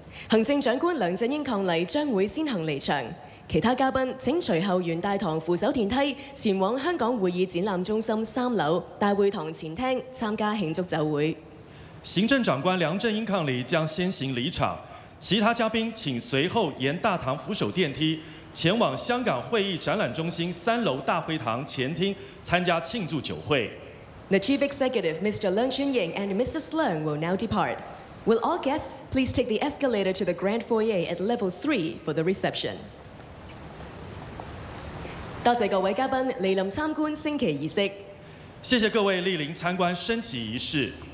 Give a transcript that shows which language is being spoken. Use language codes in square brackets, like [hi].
[zh] 行政長官梁振英抗禮將會先行離場，其他嘉賓請隨後沿大堂扶手電梯前往香港會議展覽中心三樓大會堂前廳參加慶祝酒會。行政長官梁振英抗禮將先行離場，其他嘉宾请随后沿大堂扶手电梯前往香港会议展览中心三楼大会堂前厅参加庆祝酒会。 [en] The chief executive, Mr. Leung Chun Ying and Mr. Sleung will now depart. Will all guests please take the escalator to the grand foyer at level 3 for the reception? [zh] 多谢各位嘉宾莅临参观升旗仪式。谢谢各位莅临参观升旗仪式。